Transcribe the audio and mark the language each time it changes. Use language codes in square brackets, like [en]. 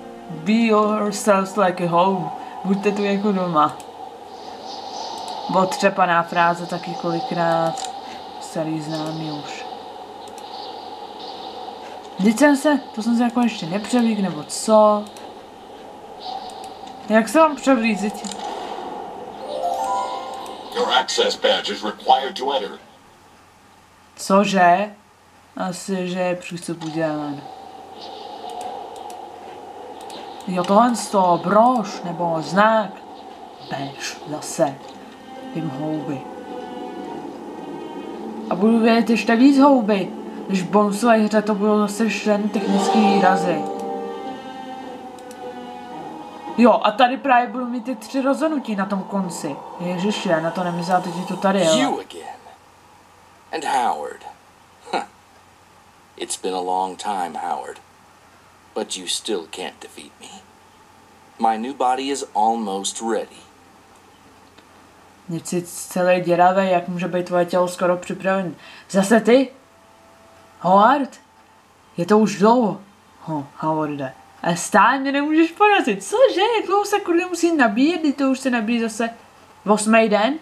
[en] Be yourselves like a home. [cs] Buďte tu jako doma. Otřepaná fráze taky kolikrát. Starý známý už. Vždyť jsem se, to jsem se jako ještě nepřevlík, nebo co? Jak se mám převlízit? [en] Your access badge is required to enter. [cs] Cože? Asi, že je přístup udělen. Jo, tohle z toho brož, nebo znak. Bež, zase. Tím houby. A budu vědět ještě víc houby. Když v bonusové hře to budou zase všem technický výrazy. Jo, a tady právě budu mít ty tři rozhodnutí na tom konci. Ježiši, já na to nemyslela, teď je to tady, jo. [en] You again. And Howard. It's been a long time, Howard. But you still can't defeat me. My new body is almost ready. [cs] Nic celé děravé, jak může být tvoje tělo skoro připravené. Zase ty? Howard? Je to už dlouho? Ho, Howarde. A stále mě nemůžeš porazit. Cože? Jak dlouho se kurde musí nabíjet, když to už se nabíjí zase v 8. den?